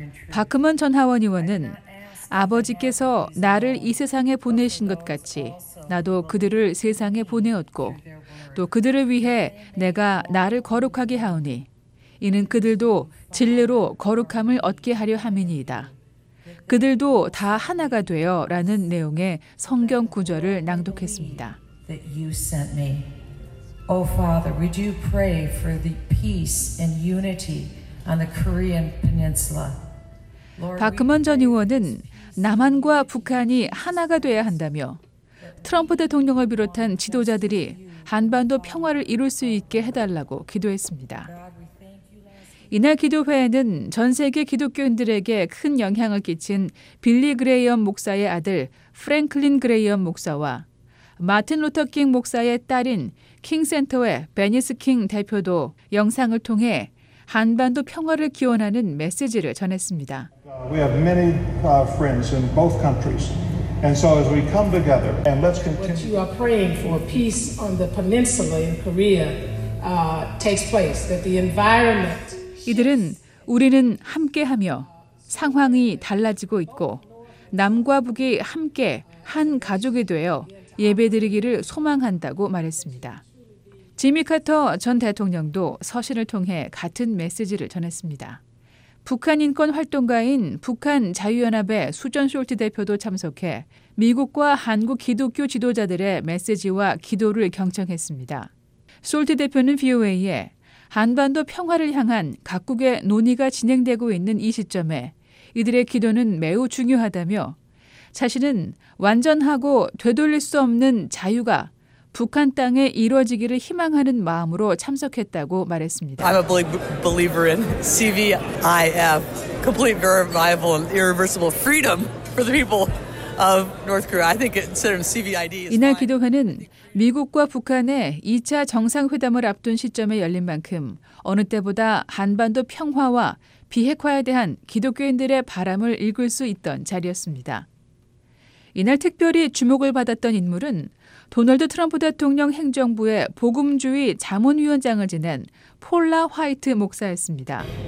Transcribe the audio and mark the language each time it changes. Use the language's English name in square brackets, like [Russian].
[Korean] 바크먼 전 하원 의원은 아버지께서 나를 이 세상에 보내신 것 같이 나도 그들을 세상에 보내었고 또 그들을 위해 내가 나를 거룩하게 하오니 이는 그들도 진리로 거룩함을 얻게 하려 함이니이다. 그들도 다 하나가 되어라는 내용의 성경 구절을 낭독했습니다. [English] That you sent me. Oh Father, we do pray for the peace and unity on the Korean Peninsula. [Korean] 박금원 전 의원은 남한과 북한이 하나가 되어야 한다며 트럼프 대통령을 비롯한 지도자들이 한반도 평화를 이룰 수 있게 해달라고 기도했습니다. 이날 기도회에는 전 세계 기독교인들에게 큰 영향을 끼친 빌리 그레이엄 목사의 아들 프랭클린 그레이엄 목사와 마틴 루터 킹 목사의 딸인 킹센터의 베니스 킹 대표도 영상을 통해 한반도 평화를 기원하는 메시지를 전했습니다. [English] We have many friends in both countries. And so as we come together and let's continue. What you are praying for peace on the peninsula in Korea takes place, that the environment [Korean] 이들은 우리는 함께하며 상황이 달라지고 있고 남과 북이 함께 한 가족이 되어 예배드리기를 소망한다고 말했습니다. 지미 카터 전 대통령도 서신을 통해 같은 메시지를 전했습니다. 북한 인권 활동가인 북한 자유연합의 수전 숄트 대표도 참석해 미국과 한국 기독교 지도자들의 메시지와 기도를 경청했습니다. 숄트 대표는 VOA에 한반도 평화를 향한 각국의 논의가 진행되고 있는 이 시점에 이들의 기도는 매우 중요하다며 자신은 완전하고 되돌릴 수 없는 자유가 북한 땅에 이루어지기를 희망하는 마음으로 참석했다고 말했습니다. [English] I'm a believer in CVIF, complete verifiable and irreversible freedom for the people of North Korea. I think considering CVID is [Korean] 이날 기도회는 미국과 북한의 2차 정상회담을 앞둔 시점에 열린 만큼 어느 때보다 한반도 평화와 비핵화에 대한 기독교인들의 바람을 읽을 수 있던 자리였습니다. 이날 특별히 주목을 받았던 인물은 도널드 트럼프 대통령 행정부의 복음주의 자문위원장을 지낸 폴라 화이트 목사였습니다.